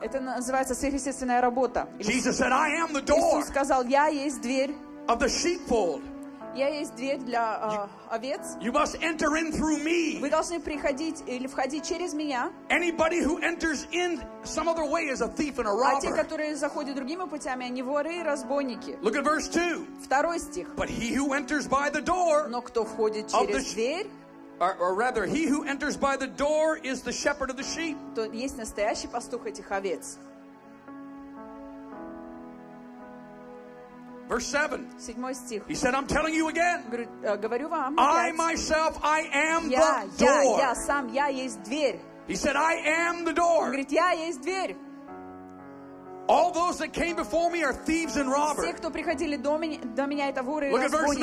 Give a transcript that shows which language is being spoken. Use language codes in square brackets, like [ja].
[ru] Это называется сверхъестественная работа. [en] Jesus said, "I am the door." [ru] Иисус сказал, я есть дверь. [en] Of the sheepfold. [ru] Я есть дверь для овец. [en] You must enter in through me. [ru] Вы должны приходить или входить через меня. [en] Anybody who enters in some other way is a thief and a robber. [ru] А те, которые заходят другими путями, они воры и разбойники. [en] Look at verse 2. [ru] Второй стих. [en] But he who enters by the door. [ru] Но кто входит через дверь? [en] Or rather, he who enters by the door is the shepherd of the sheep. [ru] То есть настоящий пастух этих овец. [en] Verse 7. [ru] Седьмой стих. [en] He said, "I'm telling you again." [ru] Говорю вам. [en] I myself, I am the door. [ru] Я сам, я есть дверь. [en] He said, "I am the door." [ru] Говорит, я есть дверь. [en] All those that came before me are thieves and robbers. [ru] Все, кто приходили до меня, это воры и разбойники.